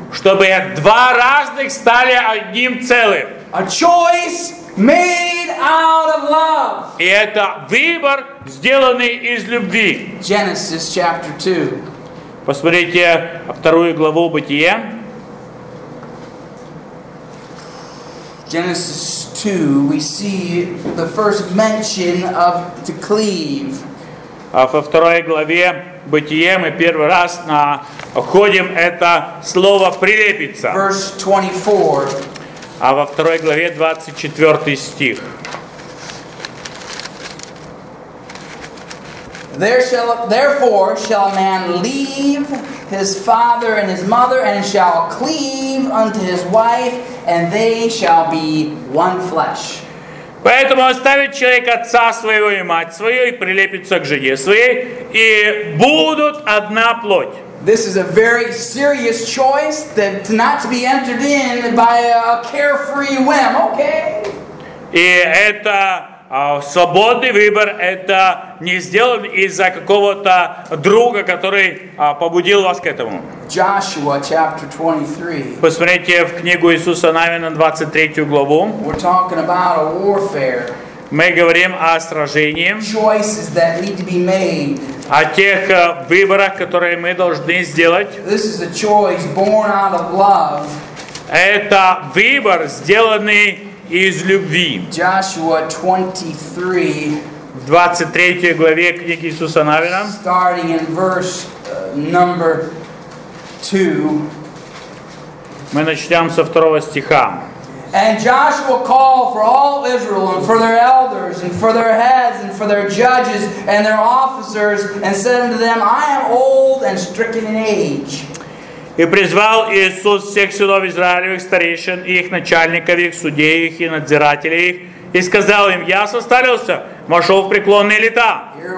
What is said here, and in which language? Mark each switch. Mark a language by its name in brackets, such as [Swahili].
[Russian] Чтобы два разных стали одним целым. [English] A choice made out of love. [Russian] И это выбор, сделанный из любви. [English] Genesis chapter 2. [Russian] Посмотрите вторую главу Бытия. [English] Genesis 2, we see the first mention of to cleave. [Russian] А во второй главе Бытие мы первый раз находим это слово прилепиться. [English] Verse 24. [Russian] А во второй главе 24 стих. [English] Therefore shall man leave his father and his mother and shall cleave unto his wife and they shall be one flesh. [Russian] Поэтому оставит человек отца своего и мать свою и прилепится к жене своей и будут одна плоть. [English] This is a very serious choice that not to be entered in by a carefree whim, okay? [Russian] И это свободный выбор, это не сделан из-за какого-то друга, который побудил вас к этому. [English] Joshua, chapter 23. [Russian] Посмотрите в книгу Иисуса Навина, 23 главу. [English] We're talking about a warfare. [Russian] Мы говорим о сражении. [English] Choices that need to be made. [Russian] О тех выборах, которые мы должны сделать. [English] This is a choice born out of love. [Russian] Это выбор, сделанный из любви. [English] Joshua 23. [Russian] В 23 главе книги Иисуса Навина. [English] Starting in verse number 2. [Russian] Мы начнем со второго стиха. [English] And Joshua called for all Israel and for their elders and for their heads and for their judges and their officers and said unto them, I am old and stricken in age. [Russian] И призвал Иисус всех сынов Израилевых, старейшин, их начальников, их судей, их и надзирателей их, и сказал им, я состарился, вошел в преклонные лета.